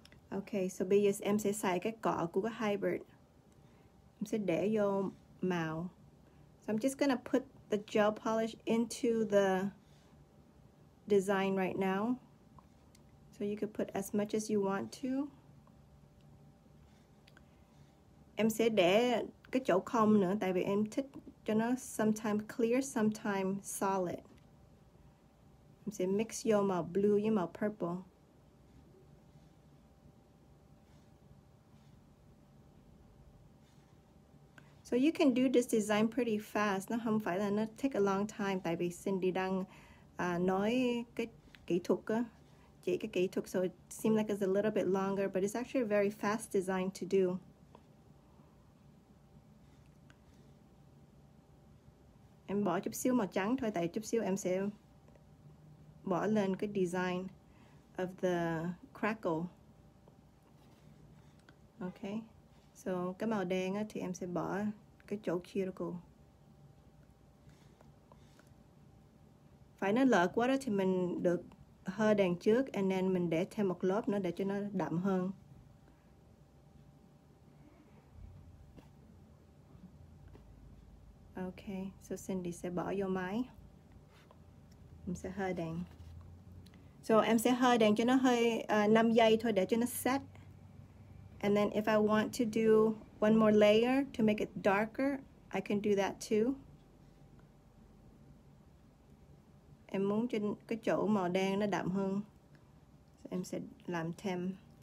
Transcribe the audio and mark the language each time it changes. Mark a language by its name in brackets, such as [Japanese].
[Vietnamese] Okay, so bây giờ em sẽ xài cái cỏ của cái hybrid. Em sẽ để vô màu. [English] So I'm just gonna put the gel polish into the design right now. So So you could put as much as you want to. [Vietnamese] Em sẽ để cái chỗ không nữa tại vì em thích cho nó [English] sometimes clear, sometimes solid. [Vietnamese] Em sẽ mix vô màu blue với màu purple. [English] So you can do this design pretty fast. [Vietnamese] Nó không phải là nó [English] take a long time [Vietnamese] tại vì Cindy đang nói cái kỹ thuật á. Chỉ cái kỹ thuật, [English] so it seemed like it's a little bit longer, but it's actually a very fast design to do. [Vietnamese] Em bỏ chút xíu màu trắng thôi, tại chút xíu em sẽ bỏ lên cái [English] design of the crackle. [Vietnamese] Okay, so cái màu đen á, thì em sẽ bỏ cái chỗ cuticle. Phải nó lỡ quá đó thì mình được hơ đèn trước and then mình để thêm một lớp nữa để cho nó đậm hơn. Okay, so Cindy sẽ bỏ vô máy. Em sẽ hơ đèn. So em sẽ hơ đèn cho nó hơi 5 giây thôi để cho nó set. [English] And then if I want to do one more layer to make it darker, I can do that too. [Vietnamese] Em muốn cho cái chỗ màu đen nó đậm hơn. So em sẽ làm thêm.